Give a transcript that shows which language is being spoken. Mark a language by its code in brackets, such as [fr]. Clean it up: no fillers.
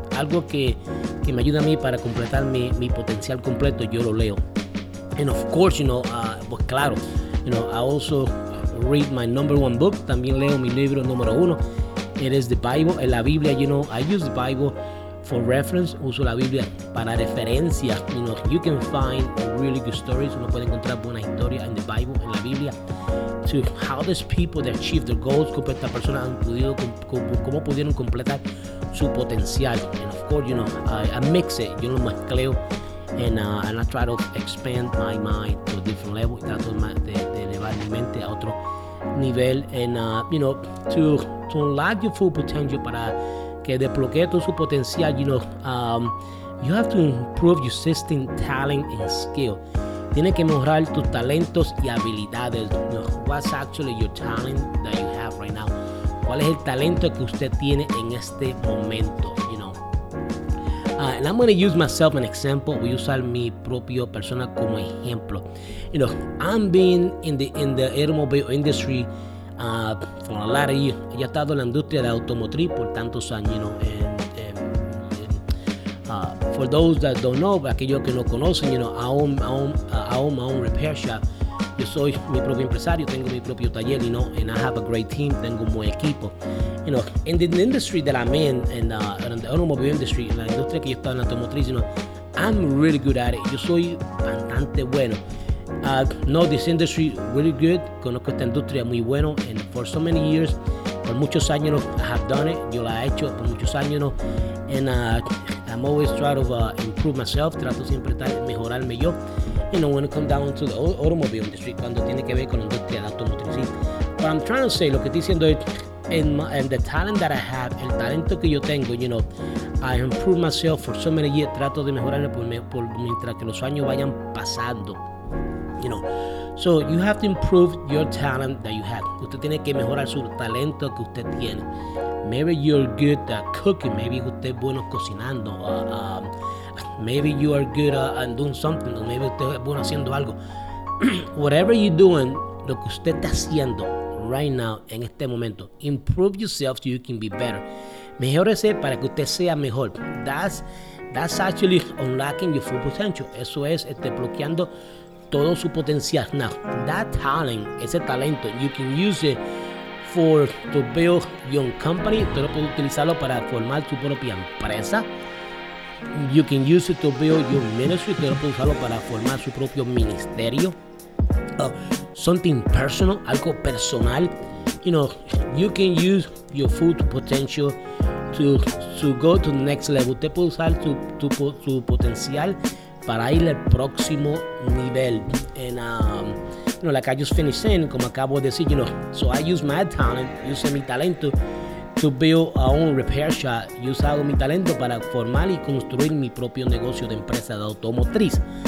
[es] Algo que me ayuda a mí para completar mi potencial completo, yo lo leo. [en] And of course, you know, [es] pues claro, [en] you know, I also read my number one book. [es] También leo mi libro número uno. [en] It is the Bible, [es] es la Biblia. [en] You know, I use the Bible for reference. [es] Uso la Biblia para referencia. [en] You know, you can find really good stories. [es] Uno puede encontrar buena historia en the Bible, en la Biblia. [en] To how these people that achieve their goals, [es] cómo estas personas han podido, cómo pudieron completar su potencial. [en] And of course, you know, I mix it. [es] Yo lo mezcleo. [en] And I try to expand my mind to a different level. [es] Y trato de elevar mi mente a otro nivel. [en] And, you know, to unlock your full potential, [es] para que desbloquee todo su potencial, [en] you know, you have to improve your existing talent and skill. [es] Tienes que mejorar tus talentos y habilidades. [en] You know, what's actually your talent that you have right now? [es] ¿Cuál es el talento que usted tiene en este momento? [en] You know. And I'm going to use myself as an example. [es] Voy a usar mi propio persona como ejemplo. [en] You know, I'm being in the automobile industry for a lot of years. [es] He estado en la industria de automotriz por tantos años. [en] You know, for those that don't know, [es] aquellos que no conocen, [en] you know, I own my own repair shop. [es] Yo soy mi propio empresario, tengo mi propio taller, you know, [en] and I have a great team, [es] tengo un buen equipo. [en] You know, in the industry that I'm in the automobile industry, [es] la industria que yo estaba en la automotriz, [en] you know, I'm really good at it. [es] Yo soy bastante bueno. [en] Know this industry really good. [es] Conozco esta industria muy bueno, [en] and for so many years, [es] por muchos años, [en] you know, I have done it. [es] Yo la he hecho por muchos años, [en] you know, and I'm always trying to improve myself. [es] Trato siempre de mejorarme yo. [en] You know, when it comes down to the automobile industry, [es] cuando tiene que ver con la industria de automotriz. [en] But I'm trying to say, [es] lo que estoy diciendo es, [en] and the talent that I have, [es] el talento que yo tengo, [en] you know, I improve myself for so many years. [es] Trato de mejorarme por mientras que los años vayan pasando. [en] You know, so you have to improve your talent that you have. [es] Usted tiene que mejorar su talento que usted tiene. [en] Maybe you're good at cooking. Maybe [es] usted es bueno cocinando. [en] Maybe you are good at doing something. Maybe [es] usted es bueno haciendo algo. [en] Whatever you're doing, [es] lo que usted está haciendo [en] right now, [es] en este momento, [en] improve yourself so you can be better. [es] Mejórese para que usted sea mejor. [en] That's actually unlocking your full potential. [es] Eso es bloqueando todo su potencial. [en] Now, that talent, [es] ese talento, [en] you can use it for to build your company. [es] Usted lo puede utilizarlo para formar su propia empresa. [en] You can use it to build your ministry. [es] Usted lo puede usarlo para formar su propio ministerio. [en] Something personal, [es] algo personal. [en] You know, you can use your full potential to go to the next level. [es] Usted puede usar su potencial para ir al próximo nivel. [en] You know, like I just finished saying, [es] como acabo de decir, [en] you know, so I use my talent, [es] use mi talento [en] to build a own repair shop. [es] Yo usado mi talento para formar y construir mi propio negocio de empresa de automotriz.